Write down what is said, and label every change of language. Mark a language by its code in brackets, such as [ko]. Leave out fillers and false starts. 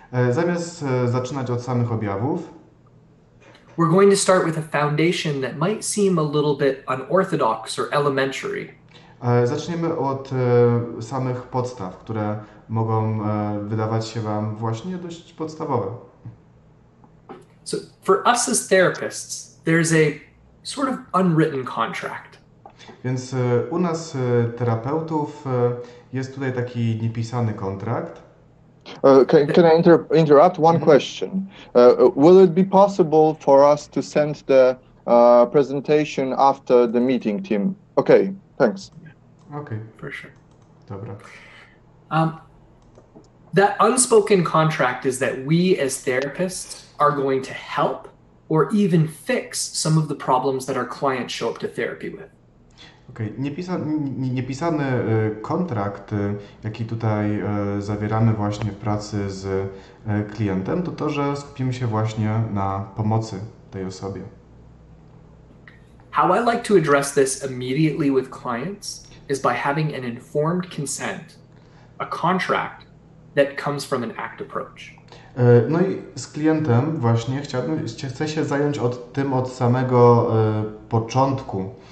[pl] zamiast zaczynać od samych objawów, [en] we're going to start with a foundation that might seem a little bit unorthodox or elementary. [pl] Zaczniemy od samych podstaw, które mogą wydawać się Wam właśnie dość podstawowe. [en] So for us as therapists, there's a sort of unwritten contract. [pl] Więc u nas terapeutów jest tutaj taki niepisany kontrakt. [en] Can I interrupt? One question. Will it be possible for us to send the presentation after the meeting, Tim? Okay, thanks. Okay, for sure. [pl] Dobra. [en] That unspoken contract is that we as therapists are going to help or even fix some of the problems that our clients show up to therapy with. Okay. [pl] Niepisany kontrakt, jaki tutaj zawieramy właśnie w pracy z klientem, to to, że skupimy się właśnie na pomocy tej osobie. [en] How I like to address this immediately with clients is by having an informed consent, a contract that comes from an ACT approach. [pl] No i z klientem właśnie chcę się zająć od samego początku.